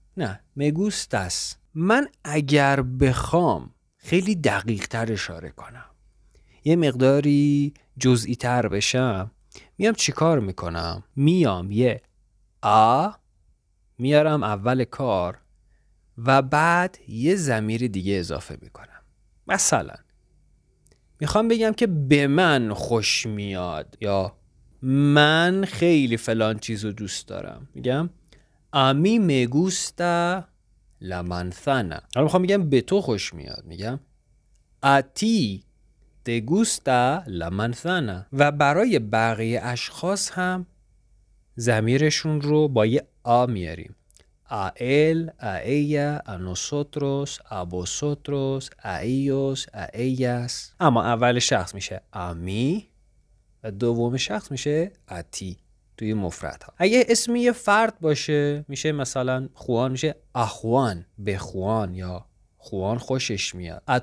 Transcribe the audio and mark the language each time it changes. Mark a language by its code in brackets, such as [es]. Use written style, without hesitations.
[fa] نه، میگوستاس. من اگر بخوام خیلی دقیق تر اشاره کنم، یه مقداری جزئی تر بشم، میام چیکار میکنم؟ میام یه ا میارم اول کار و بعد یه ضمیر دیگه اضافه میکنم. مثلا میخوام بگم که به من خوش میاد، یا من خیلی فلان چیزو دوست دارم. میگم [es] A mí me gusta la manzana. [fa] حالا میخوام بگم به تو خوش میاد، میگم [es] A ti te gusta la manzana. [fa] و برای بقیه اشخاص هم ضمیرشون رو با یه A میاریم. [es] A él, a ella, a nosotros, a vosotros, a ellos, a ellas. [fa] اما اول شخص میشه [es] A mí [fa] و دوم شخص میشه [es] A ti. [fa] توی مفرد ها اگه اسمی یه فرد باشه میشه مثلا خوان، میشه اخوان، به خوان یا خوان خوشش میاد.